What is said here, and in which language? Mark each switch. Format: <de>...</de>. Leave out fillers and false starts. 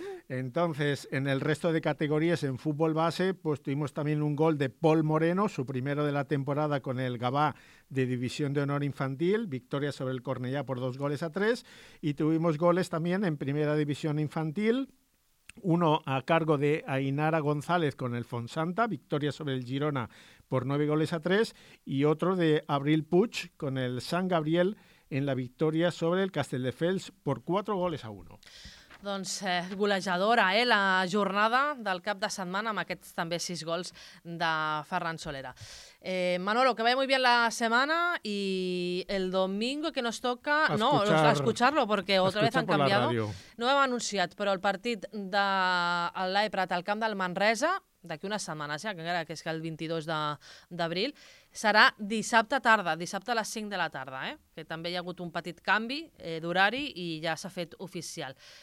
<es>Entonces, en el resto de categorías en fútbol base, pues tuvimos también un gol de Paul Moreno, su primero de la temporada con el Gavà de División de Honor Infantil, victoria sobre el Cornellà por 2-3, y tuvimos goles también en Primera División Infantil, uno a cargo de Ainara González con el Fontsanta, victoria sobre el Girona por 9-3, y otro de Abril Puig con el Sant Gabriel en la victoria sobre el Castelldefels por 4-1.</es> <ca>Doncs golejadora, la jornada del cap de setmana, amb aquests també 6 gols de Ferran Solera.</ca> <es>Manolo, que vaya muy bien la semana y el domingo que nos toca escucharlo porque otra vez han cambiado.</es> <ca>No hem anunciat, però el partit de l'Aeprat al camp del Manresa, d'aquí unes setmanes, ja, que encara que és que el 22 d'abril, serà dissabte tarda, dissabte a les 5 de la tarda, que també hi ha hagut un petit canvi d'horari i ja s'ha fet oficial.</ca>